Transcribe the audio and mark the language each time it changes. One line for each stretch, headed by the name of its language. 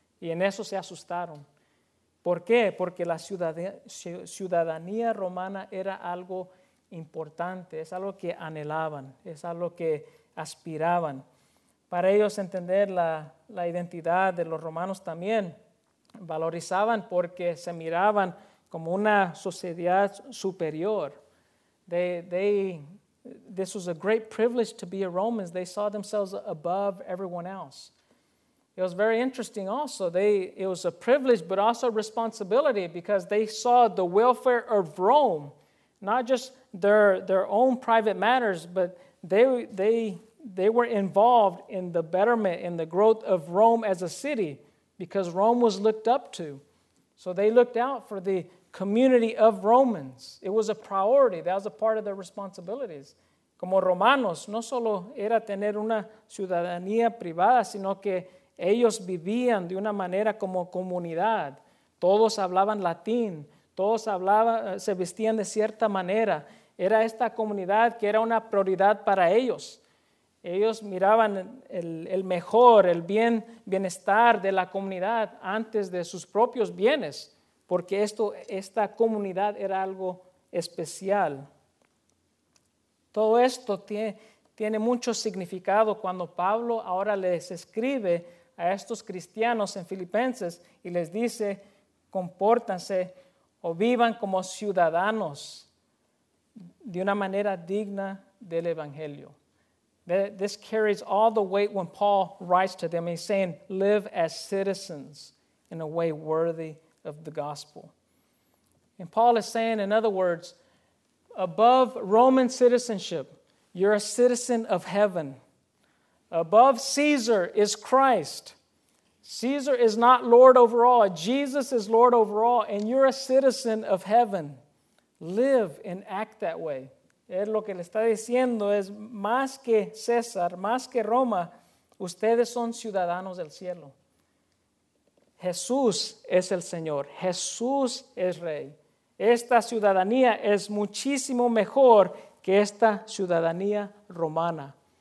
Spanish: Y en eso se asustaron. ¿Por qué? Porque la ciudadanía romana era algo importante, es algo que anhelaban, es algo que aspiraban. Para ellos entender la identidad de los romanos también, valorizaban porque se miraban como una sociedad superior.
English: This was a great privilege to be a Roman. They saw themselves above everyone else. It was very interesting also. It was a privilege but also a responsibility because they saw the welfare of Rome, not just their own private matters, but they were involved in the betterment, in the growth of Rome as a city, because Rome was looked up to. So they looked out for the community of Romans. It was a priority. That was a part of their responsibilities.
Spanish: Como romanos, no solo era tener una ciudadanía privada, sino que ellos vivían de una manera como comunidad. Todos hablaban latín. Todos hablaban, se vestían de cierta manera. Era esta comunidad que era una prioridad para ellos. Ellos miraban el mejor, el bienestar de la comunidad antes de sus propios bienes, porque esta comunidad era algo especial. Todo esto tiene mucho significado cuando Pablo ahora les escribe a estos cristianos en Filipenses y les dice, compórtanse o vivan como ciudadanos de una manera digna del Evangelio.
English: This carries all the weight when Paul writes to them. He's saying, live as citizens in a way worthy of the gospel. And Paul is saying, in other words, above Roman citizenship, you're a citizen of heaven. Above Caesar is Christ. Caesar is not Lord over all. Jesus is Lord over all, and you're a citizen of heaven. Live and act that way.
Spanish: Es lo que le está diciendo, es más que César, más que Roma, ustedes son ciudadanos del cielo. Jesús es el Señor, Jesús es Rey. Esta ciudadanía es muchísimo mejor que esta ciudadanía romana.